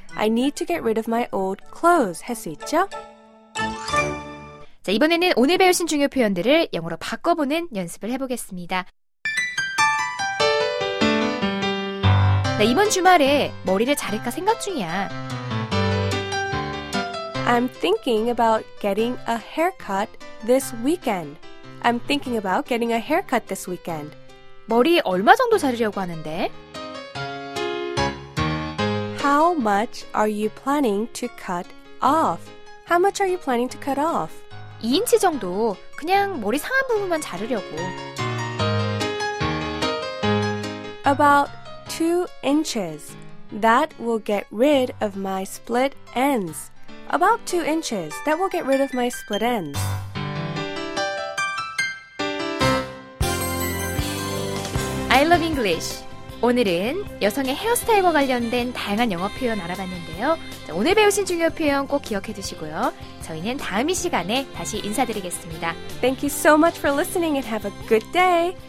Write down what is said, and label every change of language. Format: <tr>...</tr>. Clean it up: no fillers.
<en>I need to get rid of my old clothes</en> <ko>할 수 있죠. 자, 이번에는 오늘 배우신 중요 표현들을 영어로 바꿔보는 연습을 해보겠습니다. 이번 주말에 머리를 자를까 생각 중이야.</ko> <en>I'm thinking about getting a haircut this weekend. I'm thinking about getting a haircut this weekend.</en> <ko>머리 얼마 정도 자르려고 하는데?</ko> <en>How much are you planning to cut off? How much are you planning to cut off?</en> <ko>2인치 정도. 그냥 머리 상한 부분만 자르려고.</ko> <en>About 2 inches. That will get rid of my split ends. About 2 inches. That will get rid of my split ends. 러브 잉글리쉬.</en> <ko>오늘은 여성의 헤어스타일과 관련된 다양한 영어 표현 알아봤는데요. 자, 오늘 배우신 중요 표현 꼭 기억해 두시고요. 저희는 다음 이 시간에 다시 인사드리겠습니다.</ko> <en>Thank you so much for listening and have a good day.</en>